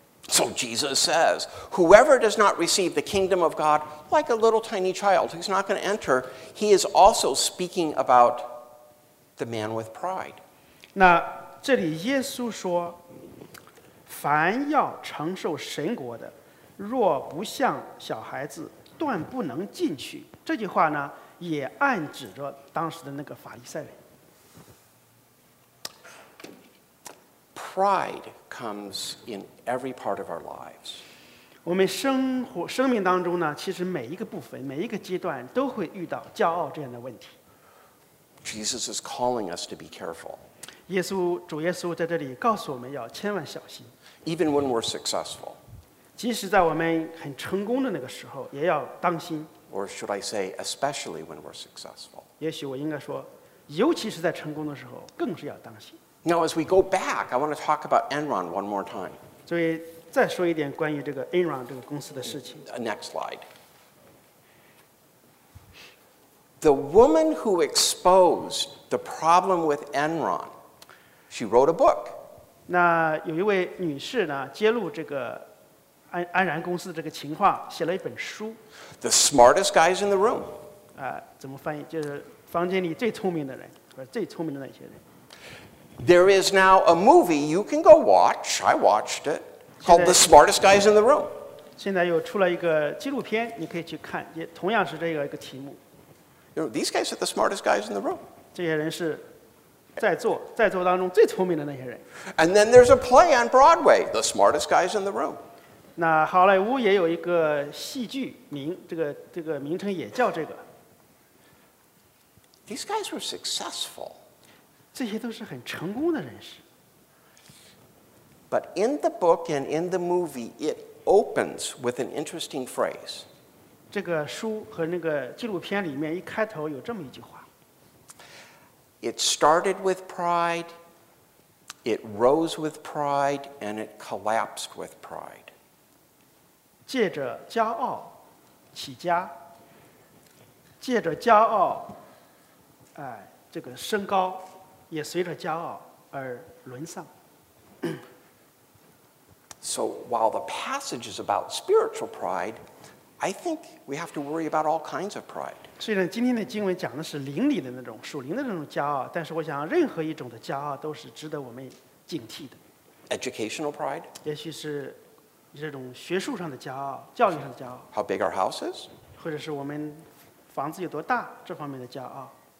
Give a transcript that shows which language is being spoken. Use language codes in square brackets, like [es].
[en] So Jesus says, whoever does not receive the kingdom of God like a little tiny child, he's not going to enter. He is also speaking about the man with pride. [zh] 那这里耶稣说，凡要承受神国的，若不像小孩子，断不能进去。这句话呢，也暗指着当时的那个法利赛人。 [en] Pride comes in every part of our lives. [zh] 我们生命当中呢，其实每一个部分、每一个阶段都会遇到骄傲这样的问题。 [en] Jesus is calling us to be careful. [zh] 耶稣主耶稣在这里告诉我们要千万小心。 [en] Even when we're successful. [zh] 即使在我们很成功的那个时候，也要当心。 [en] Or should I say, especially when we're successful? [zh] 也许我应该说，尤其是在成功的时候，更是要当心。 [en] Now, as we go back, I want to talk about Enron one more time. [zh] 所以再说一点关于这个 Enron 这个公司的事情。 [en] Next slide. The woman who exposed the problem with Enron, she wrote a book. [zh] 那有一位女士呢，揭露这个安然公司的这个情况，写了一本书。 [en] The smartest guys in the room. [zh] 啊，怎么翻译？就是房间里最聪明的人，或者最聪明的那些人。 [en] There is now a movie you can go watch. I watched it. Called The Smartest Guys in the Room. [zh] 现在又出了一个纪录片，你可以去看，也同样是这个一个题目。 [en] You know, these guys are the smartest guys in the room. [zh] 这些人是在座当中最聪明的那些人。 [en] And then there's a play on Broadway, The Smartest Guys in the Room. [zh] 那好莱坞也有一个戏剧名，这个名称也叫这个。 [en] These guys were successful. [zh] 这些都是很成功的人士。 [en] But in the book and in the movie, it opens with an interesting phrase. [zh] 这个书和那个纪录片里面一开头有这么一句话。 [en] It started with pride, it rose with pride, and it collapsed with pride. [zh] 借着骄傲起家，借着骄傲，哎，这个升高，也随着骄傲而沦丧。 [en] So while the passage is about spiritual pride,I think we have to worry about all kinds of pride. [zh] 虽然今天的经文讲的是灵里的那种属灵的那种骄傲，但是我想任何一种的骄傲都是值得我们警惕的。 [en] Educational pride? [zh] 也许是这种学术上的骄傲，教育上的骄傲。 [en] How big our house is? [zh] 或者是我们房子有多大，这方面的骄傲。